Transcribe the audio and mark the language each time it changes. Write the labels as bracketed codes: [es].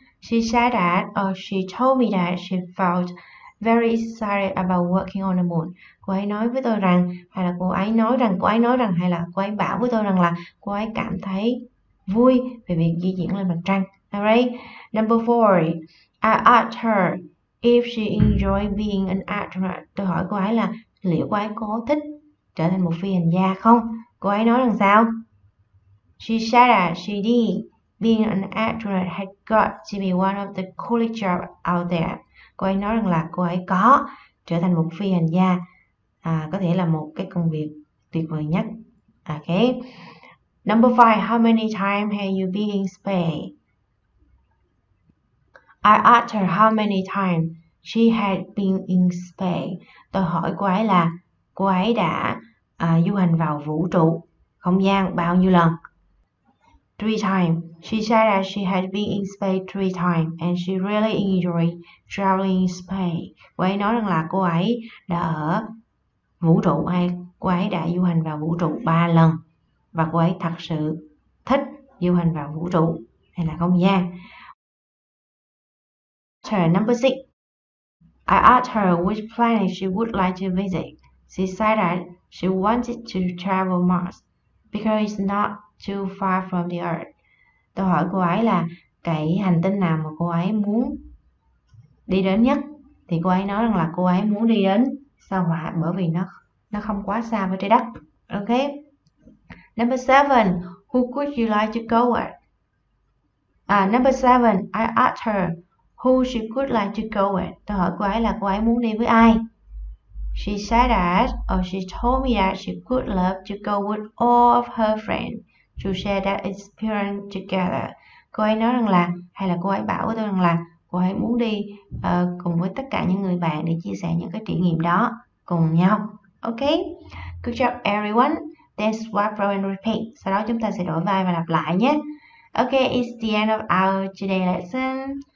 [en] She said that, she told me that she felt very excited about working on the moon. [vi] Cô ấy nói với tôi rằng, hay là cô ấy nói rằng, hay là cô ấy bảo với tôi rằng là cô ấy cảm thấy vui về việc di chuyển lên mặt trăng. [en] Alright, number four, I asked her if she enjoyed being an astronaut. [vi] Tôi hỏi cô ấy là liệu cô ấy có thích trở thành một phi hành gia không? Cô ấy nói rằng sao? [en] She said that she did. Being an astronaut had got to be one of the coolest jobs out there. [vi] Cô ấy nói rằng là cô ấy có trở thành một phi hành gia có thể là một cái công việc tuyệt vời nhất. [en] Okay. Number five, how many times have you been in space? I asked her how many times she had been in space. [vi] Tôi hỏi cô ấy là cô ấy đã du hành vào vũ trụ không gian bao nhiêu lần? [en] Three times. She said that she had been in space three times and she really enjoyed traveling in space. [vi] Cô ấy nói rằng là cô ấy đã ở vũ trụ hay cô ấy đã du hành vào vũ trụ 3 lần và cô ấy thật sự thích du hành vào vũ trụ hay là không gian. [en] Turn number six. I asked her which planet she would like to visit. She said that she wanted to travel Mars because it's not too far from the Earth. [vi] Tôi hỏi cô ấy là cái hành tinh nào mà cô ấy muốn đi đến nhất. Thì cô ấy nói rằng là cô ấy muốn đi đến sao Hỏa bởi vì nó không quá xa với trái đất. [en] Ok. Number 7. Who could you like to go with? Number 7. I asked her who she could like to go with. [vi] Tôi hỏi cô ấy là cô ấy muốn đi với ai. [en] She said that, or she told me that she could love to go with all of her friends to share that experience together. [vi] Cô ấy nói rằng là, hay là cô ấy bảo với tôi rằng là cô ấy muốn đi cùng với tất cả những người bạn để chia sẻ những cái trải nghiệm đó cùng nhau. [en] Ok, good job everyone. Then swap, row and repeat. [vi] Sau đó chúng ta sẽ đổi vai và lặp lại nhé. [en] Ok, it's the end of our today lesson.